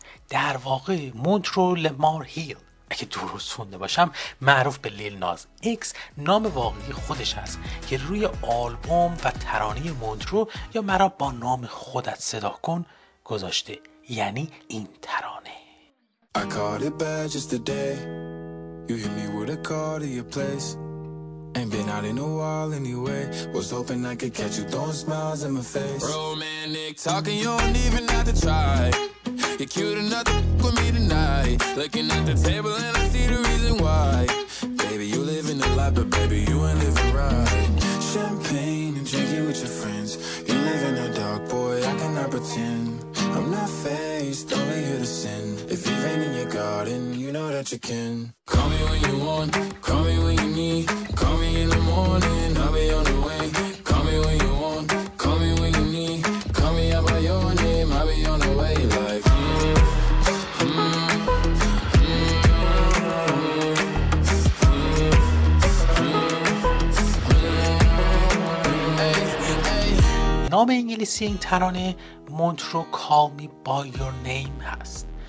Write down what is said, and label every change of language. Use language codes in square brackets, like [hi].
[fa] در واقع مونترو لمار هیل، اگه درست خونده باشم، معروف به لیل ناز ایکس نام واقعی خودش هست که روی آلبوم و ترانه مونترو یا مرا با نام خودت صدا کن گذاشته، یعنی این ترانه. [en] I caught it bad just today. You hit me with a call to your place. Ain't been out in a while anyway. Was hoping I could catch you throwing smiles in my face. Romantic talking, you don't even have to try. You're cute enough to f*** with me tonight. Looking at the table and I see the reason why. Baby, you living the life, but baby, you ain't living right. Champagne and drinking with your friends. You live in the dark, boy, I cannot pretend. I'm not fazed, only here to sin. If you rain in your garden, you know that you can. Call me when you want, call me when you need. Call me in the morning, I'll be on the way. Call me when you want, call me when you need. Call me out by your name, I'll be on the way. [fa] Like, نام انگلیسی این ترانه مونترو Call Me By Your Name هست.